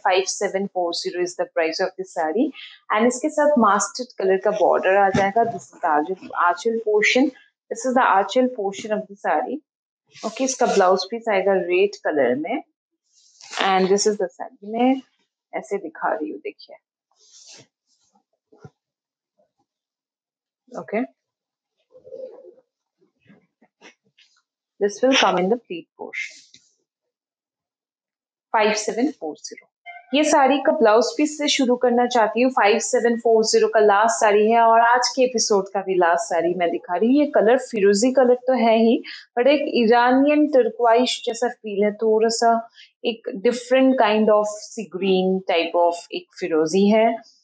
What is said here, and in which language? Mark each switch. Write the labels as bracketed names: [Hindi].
[English] 5740 is the price of this sari. [Hindi] And इसके साथ mastered colour का बॉर्डर आ जाएगा। [English] This is the aanchal portion, this is the aanchal portion of the sari. [Hindi] Okay, इसका blouse piece आएगा red colour में। [English] and this is the sari, [Hindi] मैं ऐसे दिखा रही हूँ, देखिए। [English] Okay, this will come in the pleat portion. [Hindi] 5740 ये साड़ी का ब्लाउज पीस से शुरू करना चाहती हूँ। 5740 का लास्ट साड़ी है और आज के एपिसोड का भी लास्ट साड़ी मैं दिखा रही हूँ। ये कलर फिरोजी कलर तो है ही, बट एक ईरानियन टर्कवाइश जैसा फील है, थोड़ा सा एक [English] different kind of sea green type of [Hindi] एक फिरोजी है।